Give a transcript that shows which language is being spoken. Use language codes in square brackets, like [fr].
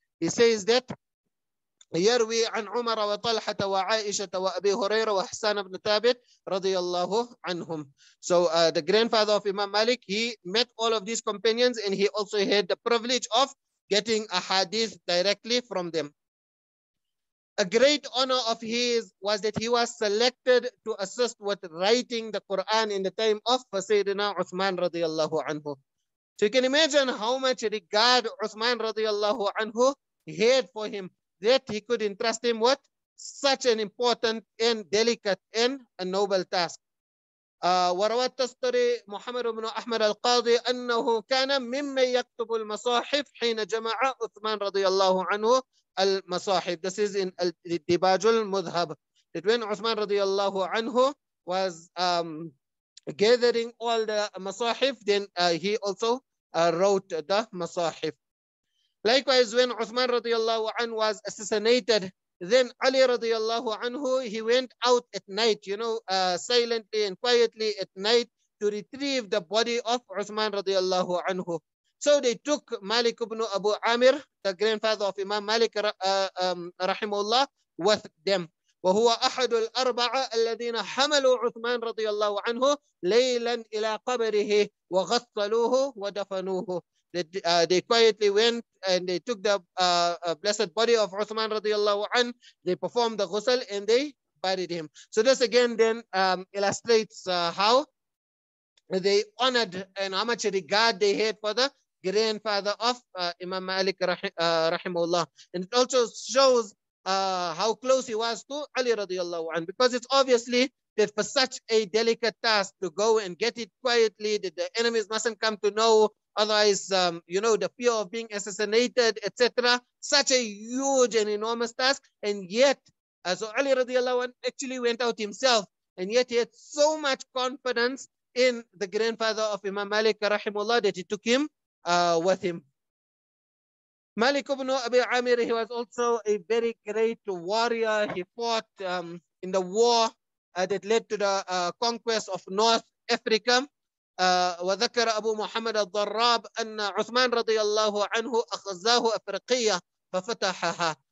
[en] He says that [ar] يروي عن عمر وطلحة وعائشة وأبي هريرة وحسان بن ثابت رضي الله عنهم. [en] So the grandfather of Imam Malik, he met all of these companions and he also had the privilege of getting a hadith directly from them. A great honor of his was that he was selected to assist with writing the Quran in the time of Sayyidina Uthman رضي الله عنه. So you can imagine how much regard Uthman رضي الله عنه had for him, that he could entrust him with such an important and delicate and a noble task. [ar] وروى التستري محمد بن أحمد القاضي أنه كان ممن يكتب المصاحف حين جمع عثمان رضي الله عنه المصاحف. [en] This is in الدباج المذهب. That when عثمان رضي الله عنه was gathering all the مصاحف, then he also wrote the مصاحف. Likewise, when عثمان رضي الله عنه was assassinated, then Ali رضي الله عنه, he went out at night, you know, silently and quietly at night to retrieve the body of عثمان رضي الله عنه. So they took Malik ibn Abu Amir, the grandfather of Imam Malik رحمه الله, with them. [ar] وهو أحد الأربعة الذين حملوا عثمان رضي الله عنه ليلا إلى قبره وغسلوه ودفنوه. [en] They quietly went and they took the blessed body of عثمان رضي الله عنه. They performed the ghusl and they buried him. So this again then illustrates how they honored and how much regard they had for the grandfather of Imam Malik rahimahullah. And it also shows how close he was to Ali radiallahu anhu, because it's obviously that for such a delicate task to go and get it quietly, that the enemies mustn't come to know, otherwise, you know, the fear of being assassinated, etc. Such a huge and enormous task. And yet, so Ali radiallahu anhu actually went out himself, and yet he had so much confidence in the grandfather of Imam Malik rahimullah that he took him with him. Malik ibn Abi Amir, he was also a very great warrior. He fought in the war that led to the conquest of North Africa. [ar] وذكر أبو محمد الضراب أن عثمان رضي الله عنه أخذاه أفريقية ففتحها.